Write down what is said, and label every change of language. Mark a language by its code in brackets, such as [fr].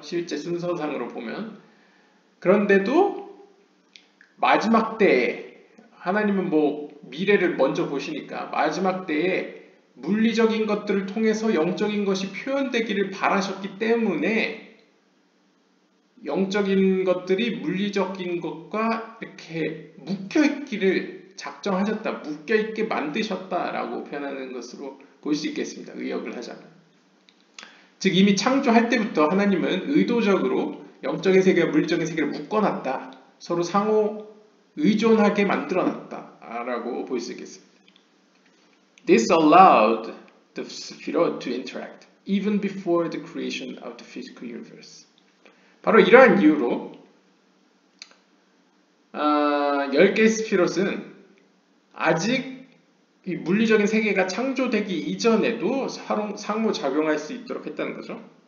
[ko] 실제 순서상으로 보면 그런데도 마지막 때에 하나님은 뭐 미래를 먼저 보시니까 마지막 때에 물리적인 것들을 통해서 영적인 것이 표현되기를 바라셨기 때문에 영적인 것들이 물리적인 것과 이렇게 묶여있기를 작정하셨다, 묶여있게 만드셨다라고 표현하는 것으로 볼 수 있겠습니다. 의역을 하자면. 즉 이미 창조할 때부터 하나님은 의도적으로 영적인 세계와 물리적인 세계를 묶어놨다. 서로 상호 의존하게 만들어놨다. 라고 볼 수 있겠습니다. [en] This allowed the spirit to interact even before the creation of the physical universe. [ko] 바로 이러한 이유로 10개의 스피롯은 아직 이 물리적인 세계가 창조되기 이전에도 상호작용할 수 있도록 했다는 거죠.